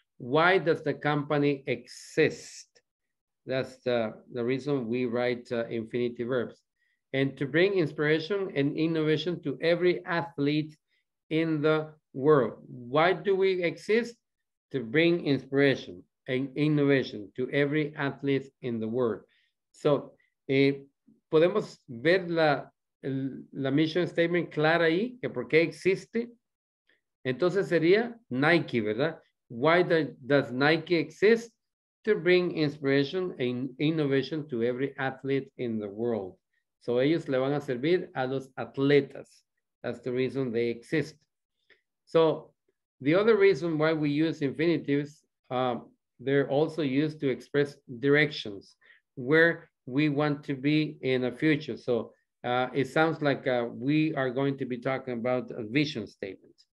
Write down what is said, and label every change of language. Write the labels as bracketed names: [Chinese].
[English] Why does the company exist? That's the reason we write infinitive verbs. And to bring inspiration and innovation to every athlete in the world. Why do we exist? To bring inspiration and innovation to every athlete in the world. [Spanish] So, podemos ver la mission statement clara ahí, que por qué existe. Entonces sería Nike, ¿verdad? [English] Why does Nike exist? To bring inspiration and innovation to every athlete in the world. [Spanish] So ellos le van a servir a los atletas. [English] That's the reason they exist. So the other reason why we use infinitives, they're also used to express directions where we want to be in the future. So it sounds like we are going to be talking about a vision statement.